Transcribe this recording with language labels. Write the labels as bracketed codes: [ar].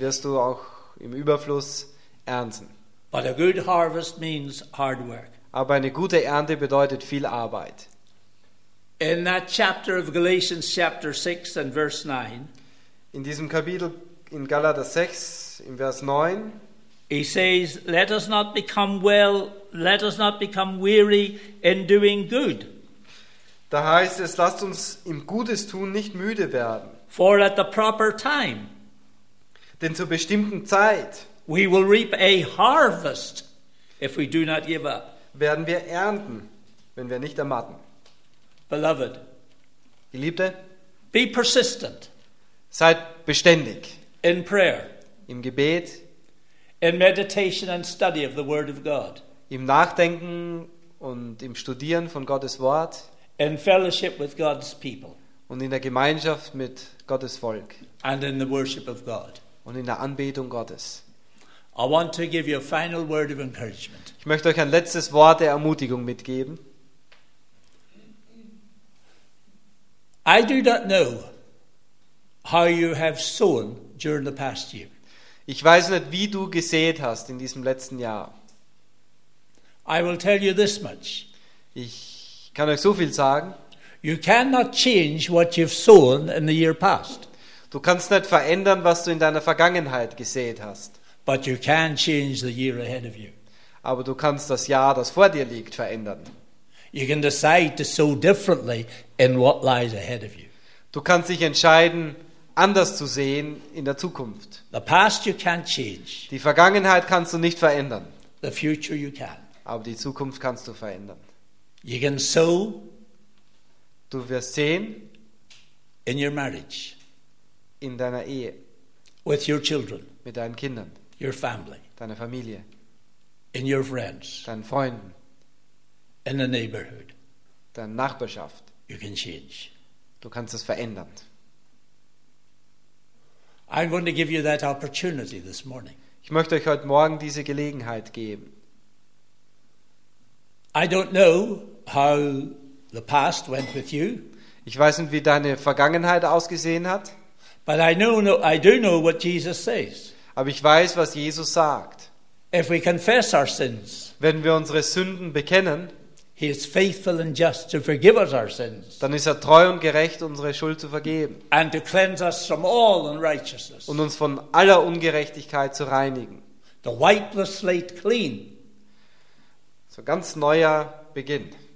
[de] Wirst du auch im Überfluss ernten. [en] But a good harvest means hard work. [de] Aber eine gute Ernte bedeutet viel Arbeit. [en] In that chapter of Galatians chapter 6 and verse 9. [de] In diesem Kapitel in Galater 6 in Vers 9. [en] He says, let us not become weary in doing good. [de] Da heißt es, lasst uns im Gutes tun nicht müde werden. [en] For at the proper time. [de] Denn zur bestimmten Zeit. [en] We will reap a harvest if we do not give up. [de] Werden wir ernten, wenn wir nicht ermatten. [en] Beloved, [de] Geliebte, [en] be persistent. [de] Seid beständig. [en] In prayer, [de] im Gebet, [en] in meditation and study of the word of God. [de] Im Nachdenken und im Studieren von Gottes Wort. [en] In fellowship with God's people. [de] Und in der Gemeinschaft mit Gottes Volk. [en] And in the worship of God. [de] Und in der Anbetung Gottes. [en] I want to give you a final word of encouragement. [de] Ich möchte euch ein letztes Wort der Ermutigung mitgeben. [en] I do not know how you have sown during the past year. [de] Ich weiß nicht, wie du gesät hast in diesem letzten Jahr. [en] I will tell you this much. [de] Ich kann euch so viel sagen. [en] You cannot change what you've sown in the year past. [de] Du kannst nicht verändern, was du in deiner Vergangenheit gesät hast. [en] But you can change the year ahead of you. [de] Aber du kannst das Jahr, das vor dir liegt, verändern. [en] You can decide to sow differently in what lies ahead of you. [de] Du kannst dich entscheiden, anders zu sehen in der Zukunft. [en] The past you can't change. [de] Die Vergangenheit kannst du nicht verändern. [en] The future you can. [de] Aber die Zukunft kannst du verändern. [en] You can sow. [de] Du wirst sehen. [en] In your marriage. [de] In deiner Ehe. [en] With your children. [de] Mit deinen Kindern. [en] Your family. [de] Deine Familie. [en] In your friends. [de] Deinen Freunden. [en] In the neighborhood. [de] Deine Nachbarschaft. [en] You can change. [de] Du kannst es verändern. [en] I'm going to give you that opportunity this morning. [de] Ich möchte euch heute Morgen diese Gelegenheit geben. [en] I don't know how the past went with you. [de] Ich weiß nicht, wie deine Vergangenheit ausgesehen hat. [en] But I do know what Jesus says. [de] Aber ich weiß, was Jesus sagt. [en] If we confess our sins, [de] wenn wir unsere Sünden bekennen, [en] he is faithful and just to forgive us our sins. [de] Dann ist er treu und gerecht, unsere Schuld zu vergeben. [en] And to cleanse us from all unrighteousness. [de] Und uns von aller Ungerechtigkeit zu reinigen. [en] To wipe the slate clean. [de] So ein ganz neuer Beginn.